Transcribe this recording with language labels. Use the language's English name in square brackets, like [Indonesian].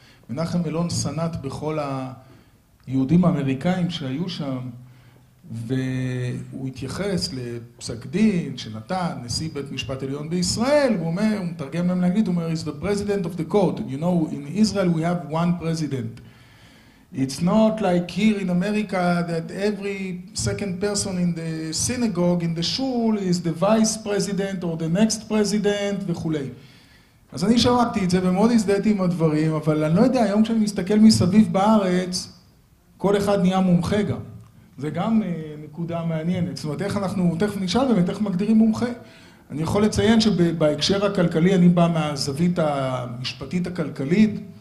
[Hebrew] מנחם אלון סנט בכל היהודים האמריקאים שהיו שם, והוא התייחס לפסק דין שנתן נשיא בית משפט עליון בישראל, הוא אומר, הוא מתרגם להם להגיד, הוא אומר, [English] he's the president of the court, you know, in Israel we have one president. It's not like here in America that every second person in the synagogue, in the shul, is the vice president or the next president וכולי. [Hebrew] אז אני שמעתי את זה ומאוד הזדהיתי עם הדברים, אבל אני לא יודע, היום כשאני מסתכל מסביב בארץ, כל אחד נהיה מומחה גם. זה גם נקודה מעניינת. זאת אומרת, איך אנחנו, תכף נשאל באמת, איך מגדירים מומחה? אני יכול לציין שבהקשר הכלכלי, אני בא מהזווית המשפטית הכלכלית.